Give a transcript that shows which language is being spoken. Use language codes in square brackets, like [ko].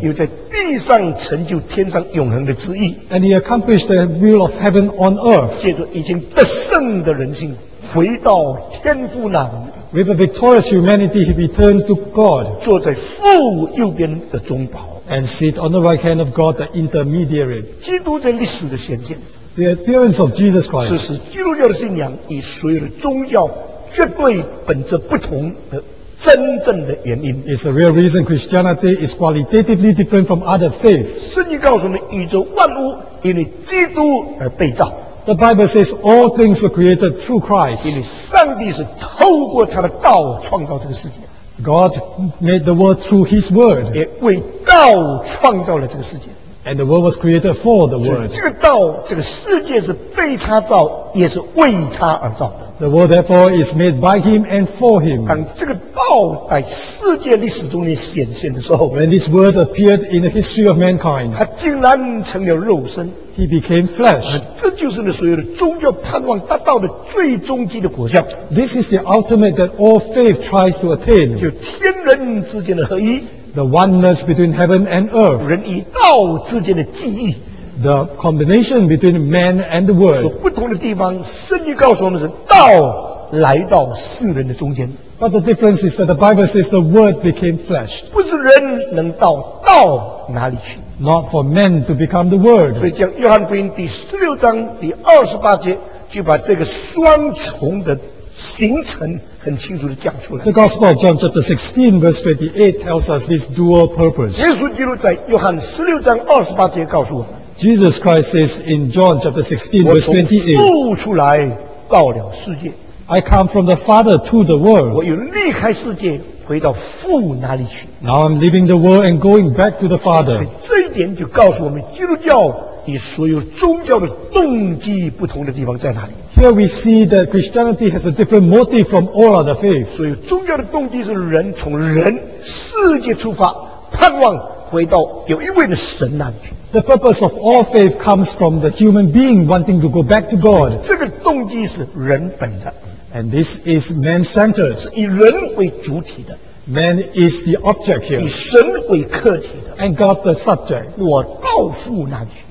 [zh] 又在地上成就天上永恒的旨意。 [en] And he accomplished the will of heaven on earth. [zh] 借着已经得胜的人心回到天父那里。 [en] With a victorious humanity, he returned to God. [zh] 坐在父右边的中保。 [en] And sit on the right hand of God, the intermediary. [zh] 基督在历史的显现。 [en] The appearance of Jesus Christ. [zh] 是基督教的信仰与所有的宗教绝对本质不同的真正的原因。 [en] It's the real reason Christianity is qualitatively different from other faiths. [zh] 圣经告诉我们，宇宙万物因为基督而被造。 [en] The Bible says all things were created through Christ. [zh] 因为上帝是透过他的道创造这个世界。 [en] God made the world through His Word. [zh] 也为道创造了这个世界。 [en] And the world was created for the Word. [zh] 这个道，这个世界是被他造，也是为他而造的。 [en] The world therefore is made by Him and for Him. [zh] 当这个道在世界历史中显现的时候 [en] ，When this Word appeared in the history of mankind, [zh] 他竟然成了肉身。 [en] He became flesh. [zh] 这就是那所有的宗教盼望达到的最终极的果效。 [en] This is the ultimate that all faith tries to attain. [zh] 就天人之间的合一。 [en] The oneness between heaven and earth. [zh] 人与道之间的记忆。 [en] The combination between man and the word. [zh] 所不同的地方，圣经告诉我们是道来到世人的中间。 [en] But the difference is that the Bible says the word became flesh. [zh] 不是人能到道哪里去。 [en] Not for men to become the word. [zh] 所以讲约翰福音第十六章第二十八节就把这个双重的形成很清楚地讲出来。 [en] The Gospel of John chapter 16 verse 28 tells us this dual purpose. [zh] 耶稣基督在约翰十六章二十八节告诉我们。 [en] Jesus Christ says in John chapter 16 verse 28. [zh] 我从父出来到了世界。 [en] I come from the Father to the world. [zh] 我又离开世界。回到父哪里去 [en] ？Now I'm leaving the world and going back to the Father. [zh] 这一点就告诉我们，基督教与所有宗教的动机不同的地方在哪里 [en] ？Here we see that Christianity has a different motive from all other faiths. [zh] 所以宗教的动机是人从人世界出发，盼望回到有一位的神那里去。 [en] The purpose of all faith comes from the human being wanting to go back to God. [zh] 这个动机是人本的。 [en] And this is man-centered. [zh] 是以人为主体的。 [en] Man is the object here. [zh] 以神为客体的。 [en] And God the subject. [zh] 我到父那里去。